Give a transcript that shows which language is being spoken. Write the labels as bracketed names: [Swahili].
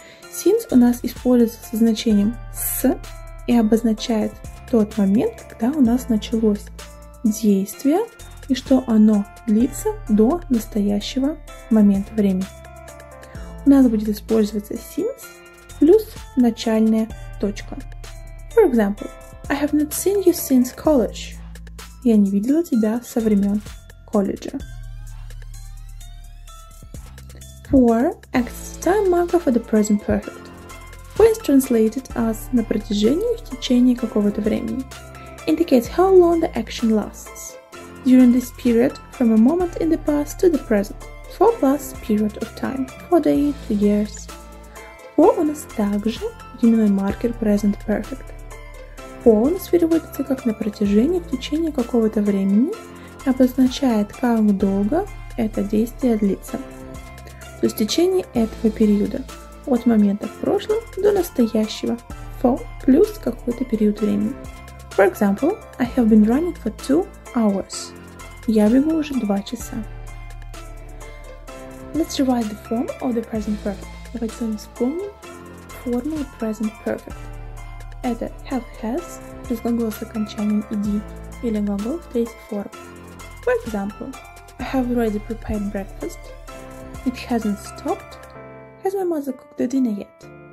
[Russian] Since у нас используется со значением «с» и обозначает тот момент, когда у нас началось действие и что оно длится до настоящего момента времени. У нас будет использоваться since плюс начальная точка. [English] For example, I have not seen you since college. [Russian] Я не видела тебя со времен колледжа. [English] For acts as time marker for the present perfect. For is translated as [Russian] на протяжении, в течение какого-то времени. [English] Indicates how long the action lasts. During this period, from a moment in the past to the present. For plus period of time. For day, 2 years. For [Russian] у нас также временной маркер [English] present perfect. [Russian] For у нас переводится как на протяжении, в течение какого-то времени. И обозначает, как долго это действие длится. То есть в течение этого периода. От момента в прошлом до настоящего. For плюс какой-то период времени. [English] For example, I have been running for 2 hours. [Russian] Я бегу уже 2 часа. [English] Let's revise the form of the present perfect. [Russian] Давайте с вами вспомним форму present perfect. Это have, has, то есть глагол с окончанием ed, или глагол в третьей форме. [English] For example, I have already prepared breakfast. It hasn't stopped. Has my mother cooked the dinner yet?